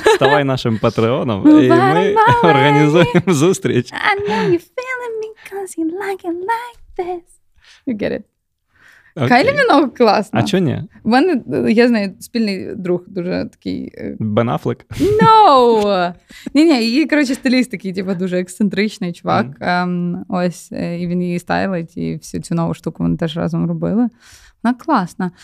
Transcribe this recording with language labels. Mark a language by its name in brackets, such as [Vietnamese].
[Ukrainian] Ставай нашим патреоном, і ми організуємо зустріч. [English] I know you're feeling me, cause you like it like this. You get it. Okay. [Ukrainian] Кайлі Мінок класно. А чого ні? У мене, я знаю, спільний друг дуже такий... Бен Афлек? [English] No! [Ukrainian] Ні-ні, її, коротше, стиліст такий, типу, дуже ексцентричний чувак. Ось, і він її стайлить, і всю цю нову штуку вони теж разом робили. Вона класна.